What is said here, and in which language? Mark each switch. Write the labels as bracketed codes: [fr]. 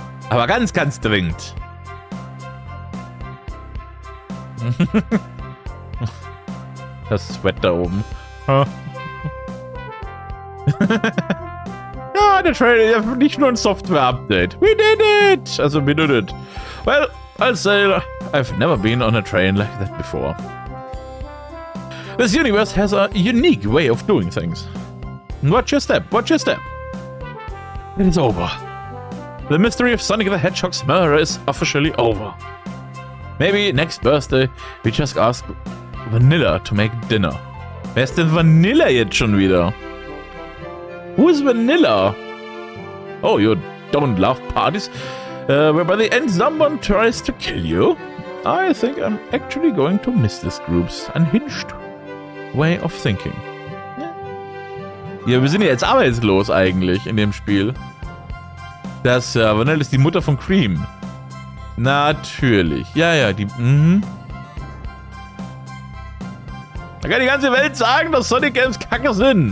[de] Aber ganz, ganz dringend. Das Sweat da oben. Ja, der Train ist ja nicht nur ein Software-Update. [en] We did it! Also, we did it. Well, I'll say, I've never been on a train like that before. This universe has a unique way of doing things. Watch your step. It is over. The mystery of Sonic the Hedgehog's murder is officially over. Maybe next birthday we just ask Vanilla to make dinner. [de] Wer ist denn Vanilla jetzt schon wieder? [en] Who is Vanilla? Oh, you don't love parties? Where by the end someone tries to kill you? I think I'm actually going to miss this group's unhinged way of thinking. [de] Ja, wir sind ja jetzt arbeitslos eigentlich in dem Spiel. Das, Vanilla ist die Mutter von Cream. Natürlich. Ja, die, Da kann die ganze Welt sagen, dass Sonic Games kacke sind.